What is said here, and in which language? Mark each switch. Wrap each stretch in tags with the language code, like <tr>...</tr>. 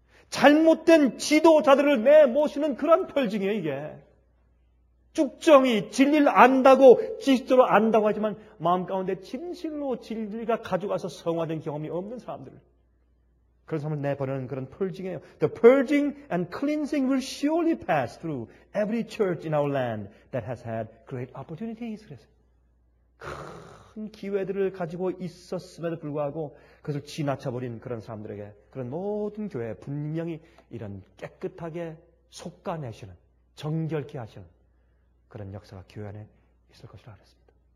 <ko>잘못된 지도자들을 내모시는 그런 purging이에요, 이게. 쭉정이 진리를 안다고, 지식적으로 안다고 하지만 마음 가운데 진실로 진리가 가져가서 성화된 경험이 없는 사람들을. 그런 사람을 내보내는 그런 purging이에요.</ko> <en>The purging and cleansing will surely pass through every church in our land that has had great opportunities.</en> <ko>그래서 큰 기회들을 가지고 있었음에도 불구하고 그것을 지나쳐버린 그런 사람들에게 그런 모든 교회에 분명히 이런 깨끗하게 솎아내시는 정결케 하시는 그런 역사가 교회 안에 있을 것이라 그랬습니다.</ko>